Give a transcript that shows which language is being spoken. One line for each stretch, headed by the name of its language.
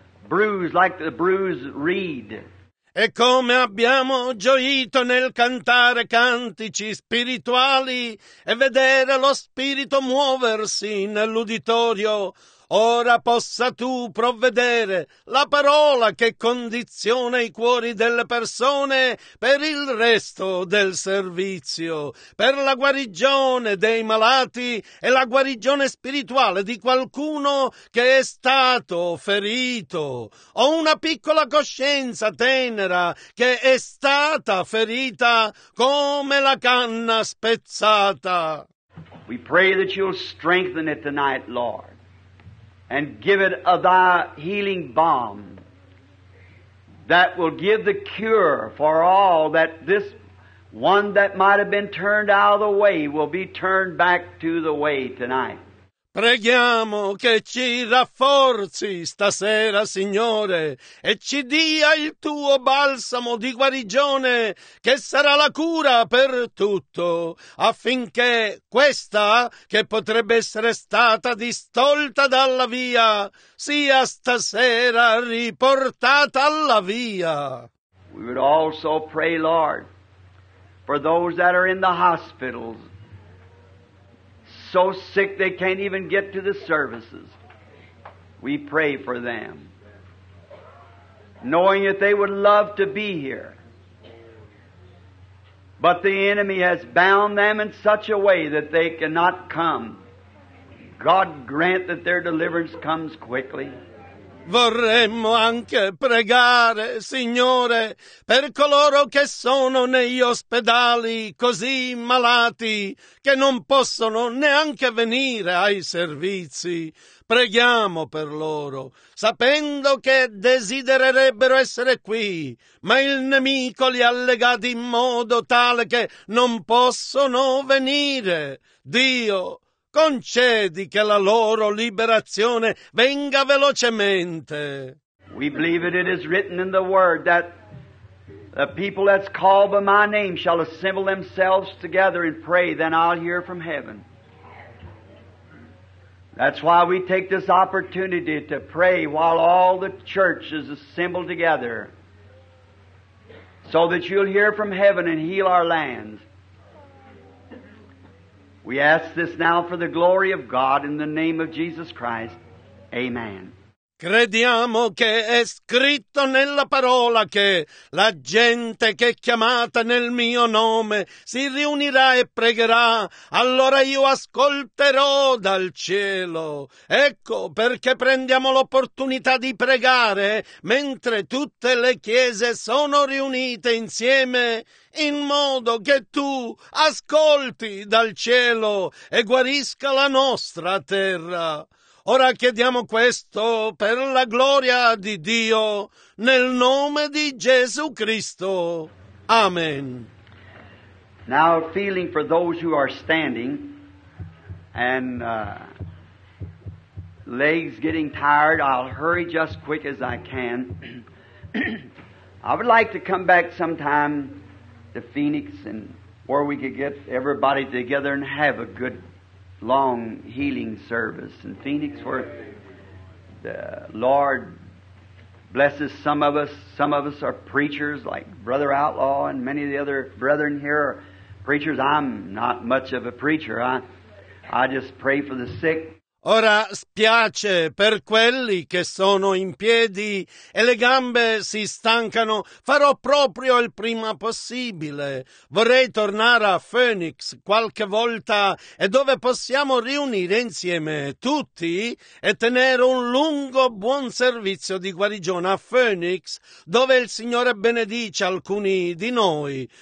English: bruised like the bruised reed.
Italian: E come abbiamo gioito nel cantare cantici spirituali e vedere lo spirito muoversi nell'uditorio. Ora possa tu provvedere la parola che condiziona i cuori delle persone per il resto del servizio, per la guarigione dei malati e la guarigione spirituale di qualcuno che è stato ferito, o una piccola coscienza tenera che è stata ferita come la canna spezzata.
English: We pray that you'll strengthen it tonight, Lord. And give it of thy healing balm that will give the cure for all, that this one that might have been turned out of the way will be turned back to the way tonight.
Italian: Preghiamo che ci rafforzi stasera, Signore, e ci dia il tuo balsamo di guarigione, che sarà la cura per tutto, affinché questa, che potrebbe essere stata distolta dalla via, sia stasera riportata alla via.
English: We would also pray, Lord, for those that are in the hospitals, so sick they can't even get to the services. We pray for them, knowing that they would love to be here, but the enemy has bound them in such a way that they cannot come. God grant that their deliverance comes quickly.
Italian: Vorremmo anche pregare, Signore, per coloro che sono negli ospedali così malati che non possono neanche venire ai servizi. Preghiamo per loro, sapendo che desidererebbero essere qui, ma il nemico li ha legati in modo tale che non possono venire. Dio, concedi che la loro liberazione venga velocemente.
English: We believe it is written in the word that the people that's called by my name shall assemble themselves together and pray, then I'll hear from heaven. That's why we take this opportunity to pray while all the church is assembled together, so that you'll hear from heaven and heal our lands. We ask this now for the glory of God in the name of Jesus Christ. Amen.
Italian: Crediamo che è scritto nella parola che la gente che è chiamata nel mio nome si riunirà e pregherà, allora io ascolterò dal cielo. Ecco perché prendiamo l'opportunità di pregare mentre tutte le chiese sono riunite insieme, in modo che tu ascolti dal cielo e guarisca la nostra terra. Ora chiediamo questo per la gloria di Dio, nel nome di Gesù Cristo. Amen.
English: Now feeling for those who are standing and legs getting tired, I'll hurry just quick as I can. I would like to come back sometime to Phoenix and where we could get everybody together and have a good long healing service in Phoenix, where the Lord blesses some of us. Some of us are preachers, like Brother Outlaw, and many of the other brethren here are preachers. I'm not much of a preacher. I just pray for the sick.
Italian: Ora spiace per quelli che sono in piedi e le gambe si stancano, farò proprio il prima possibile. Vorrei tornare a Phoenix qualche volta e dove possiamo riunire insieme tutti e tenere un lungo buon servizio di guarigione a Phoenix, dove il Signore benedice alcuni di noi.